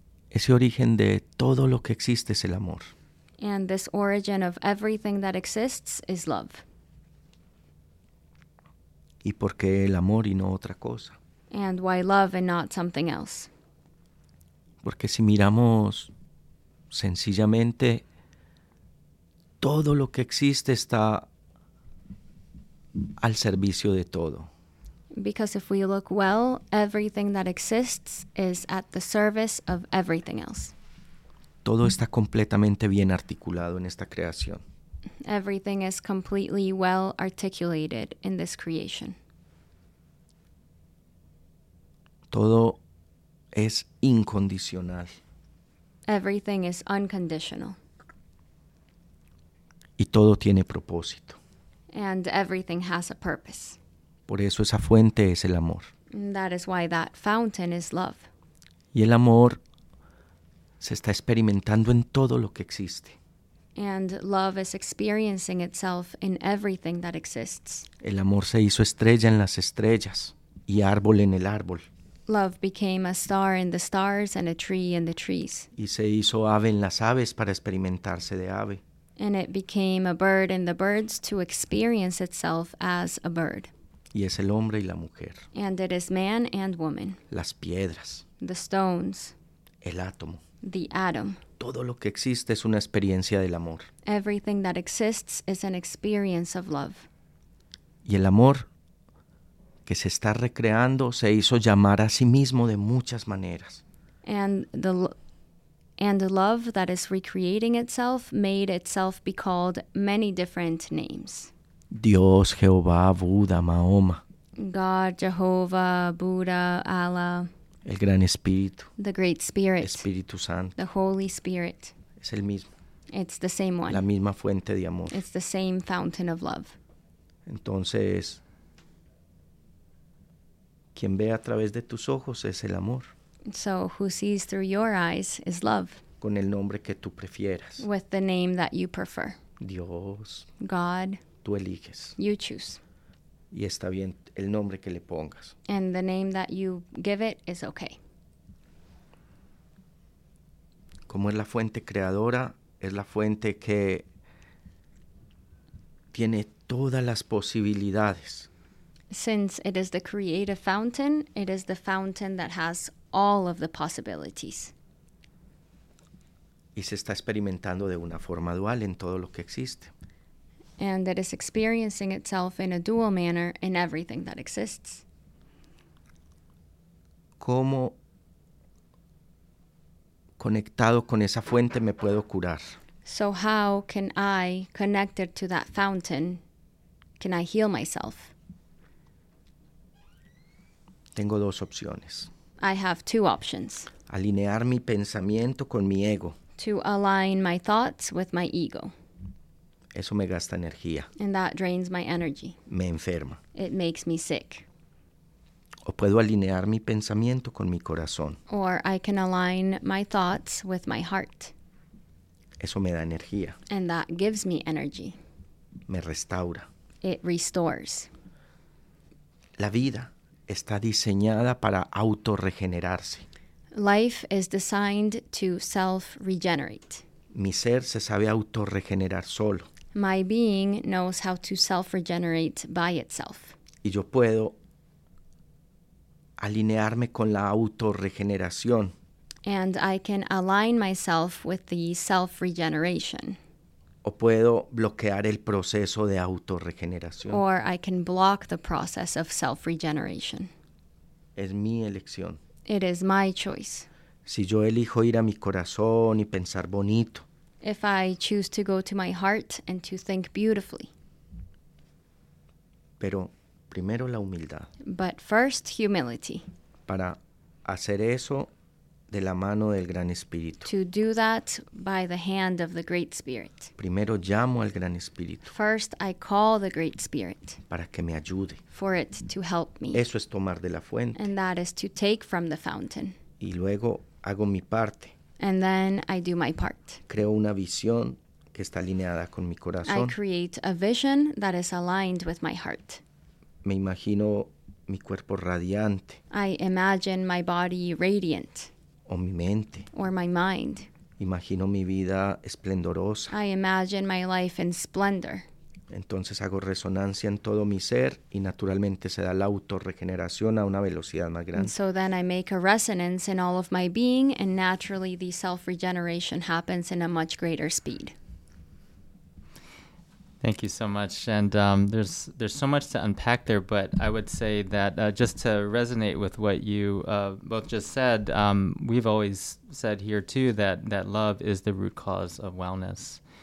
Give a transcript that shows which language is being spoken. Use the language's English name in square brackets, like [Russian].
[Spanish] Ese origen de todo lo que existe es el amor. [English] And this origin of everything that exists is love. [Spanish] ¿Y por qué el amor y no otra cosa? [English] And why love and not something else? [Spanish] Porque si miramos sencillamente, todo lo que existe está al servicio de todo. [English] Because if we look well, everything that exists is at the service of everything else. [Spanish] Todo está completamente bien articulado en esta creación. [English] Everything is completely well articulated in this creation. [Spanish] Todo es incondicional. [English] Everything is unconditional. [Spanish] Y todo tiene propósito. [English] And everything has a purpose. [Spanish] Por eso esa fuente es el amor. [English] That is why that fountain is love. [Spanish] Y el amor se está experimentando en todo lo que existe. [English] And love is experiencing itself in everything that exists. [Spanish] El amor se hizo estrella en las estrellas y árbol en el árbol. [English] Love became a star in the stars and a tree in the trees. [Spanish] Y se hizo ave en las aves para experimentarse de ave. [English] And it became a bird in the birds to experience itself as a bird. [Spanish] Y es el hombre y la mujer. [English] And it is man and woman. [Spanish] Las piedras. [English] The stones. [Spanish] El átomo. [English] The atom. [Spanish] Todo lo que existe es una experiencia del amor. [English] Everything that exists is an experience of love. [Spanish] Y el amor que se está recreando se hizo llamar a sí mismo de muchas maneras. [English] And the and love that is recreating itself made itself be called many different names. [Spanish] Dios, Jehová, Buda, Mahoma. [English] God, Jehovah, Buddha, Allah. [Spanish] El Gran Espíritu. [English] The Great Spirit. [Spanish] Espíritu Santo. [English] The Holy Spirit. [Spanish] Es el mismo. [English] It's the same one. [Spanish] La misma fuente de amor. [English] It's the same fountain of love. [Spanish] Entonces, quien ve a través de tus ojos es el amor. [English] So, who sees through your eyes is love. [Spanish] Con el nombre que tú prefieras. [English] With the name that you prefer. [Spanish] Dios. [English] God. [Spanish] Tú eliges. [English] You choose. [Spanish] Y está bien el nombre que le pongas. [English] And the name that you give it is okay. [Spanish] Como es la fuente creadora, es la fuente que tiene todas las posibilidades. [English] Since it is the creative fountain, it is the fountain that has all of the possibilities. [Spanish] Y se está experimentando de una forma dual en todo lo que existe. [English] And it is experiencing itself in a dual manner in everything that exists. [Spanish] ¿Cómo conectado con esa fuente me puedo curar? [English] So how can I, connected to that fountain, can I heal myself? [Spanish] Tengo dos opciones. [English] I have two options. [Spanish] Alinear mi pensamiento con mi ego. [English] To align my thoughts with my ego. [Spanish] Eso me gasta energía. [English] And that drains my energy. [Spanish] Me enferma. [English] It makes me sick. [Spanish] O puedo alinear mi pensamiento con mi corazón. [English] Or I can align my thoughts with my heart. [Spanish] Eso me da energía. [English] And that gives me energy. [Spanish] Me restaura. [English] It restores. [Spanish] La vida está diseñada para autorregenerarse. [English] Life is designed to self-regenerate. [Spanish] Mi ser se sabe autorregenerar solo. [English] My being knows how to self-regenerate by itself. [Spanish] Y yo puedo alinearme con la autorregeneración. [English] And I can align myself with the self-regeneration. [Spanish] O puedo bloquear el proceso de autorregeneración. [English] Or I can block the process of self-regeneration. [Spanish] Es mi elección. [English] It is my choice. [Spanish] Si yo elijo ir a mi corazón y pensar bonito. [English] If I choose to go to my heart and to think beautifully. [Spanish] Pero primero la humildad. [English] But first, humility. [Spanish] Para hacer eso de la mano del Gran Espíritu. [English] To do that by the hand of the Great Spirit. [Spanish] Primero llamo al Gran Espíritu. [English] First, I call the Great Spirit. [Spanish] Para que me ayude. [English] For it to help me. [Spanish] Eso es tomar de la fuente. [English] And that is to take from the fountain. [Spanish] Y luego hago mi parte. [English] And then I do my part. [Spanish] Creo una visión que está alineada con mi corazón. [English] I create a vision that is aligned with my heart. [Spanish] Me imagino mi cuerpo radiante. [English] I imagine my body radiant. [Spanish] O mi mente. [English] Or my mind. [Spanish] Imagino mi vida esplendorosa. [English] I imagine my life in splendor. [Spanish] Entonces hago resonancia en todo mi ser y naturalmente se da la autorregeneración a una velocidad más grande. [English] And so then I make a resonance in all of my being and naturally the self-regeneration happens in a much greater speed. Thank you so much. And there's so much to unpack there, but I would say that just to resonate with what you both just said, we've always said here too that love is the root cause of wellness.